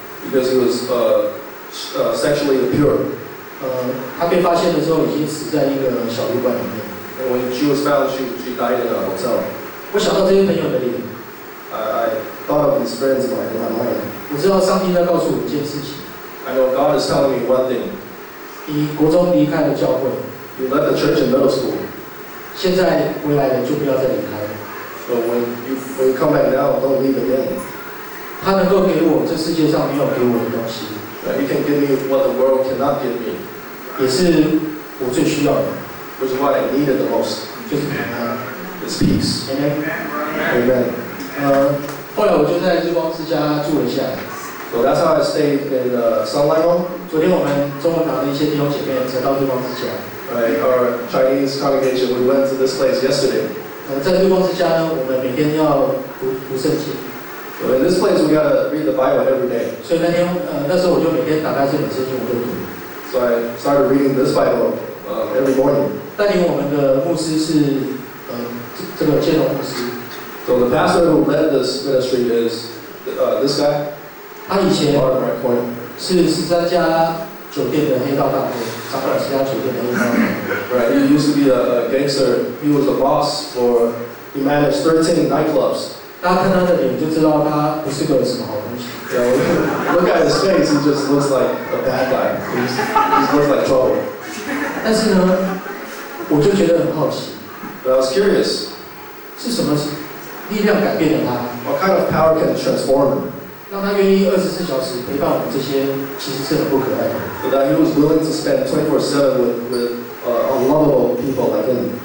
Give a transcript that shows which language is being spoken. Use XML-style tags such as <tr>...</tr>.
<en>Because he was sexually impure.</en> <zh>他被发现的时候已经死在一个小旅馆里面。</zh> <en>When she was found, she died in a hotel.</en> <zh>我想到这些朋友的脸。</zh> <en>I thought of his friends in my mind.</en> <zh>我知道上帝在告诉我一件事情。</zh> <en>I know God is telling me one thing.</en> <zh>你国中离开了教会</zh> <en>，You left the church in middle school。</en> <zh>现在未来的就不要再离开了。</zh> <en>So when you come back now, don't leave again。</en> <zh>他能够给我这世界上没有给我的东西。</zh> <en>You can give me what the world cannot give me。</en> <zh>也是我最需要的。</zh> <en>Which is what I needed the most。</en> <zh>就是平安。</zh> <en>It's peace。 Amen。 Amen。</en> <zh>后来我就在日光之家住了下来。</zh> <en>So that's how I stayed in the Sunlight Home.</en> <zh>昨天我们中文堂的一些弟兄姐妹才到日光之家。</zh> <en>Right, our Chinese congregation, we went to this place yesterday.</en> <zh>在日光之家呢，我们每天要读圣经。</zh> <en>So in this place, we gotta read the Bible every day.</en> <zh>所以那天，那时候我就每天打开这本圣经，我就读。</zh> <en>So I started reading this Bible every morning.</en> <zh>带领我们的牧师是这个建龙牧师。</zh> <en>So the pastor who led this ministry is this guy.</en> <zh>他以前是十三家酒店的黑道大哥，掌管十三家酒店的黑道。</zh> <en>Right, he used to be a gangster. He was a boss for. He managed 13 nightclubs.</en> <zh>大家看他的脸就知道他不是个什么好东西。</zh> <en>Yeah, look at his face. He just looks like a bad guy. He looks like trouble.</en> <zh>但是呢，我就觉得很好奇。</zh> <en>But I was curious.</en> <zh>是什么力量改变了他</zh> <en>？What kind of power can transform him?</en> <zh>让他愿意24小时陪伴我们这些其实是很不可爱的。</zh> <en>That he was willing to spend 24/7 with unlovable people like him.</en>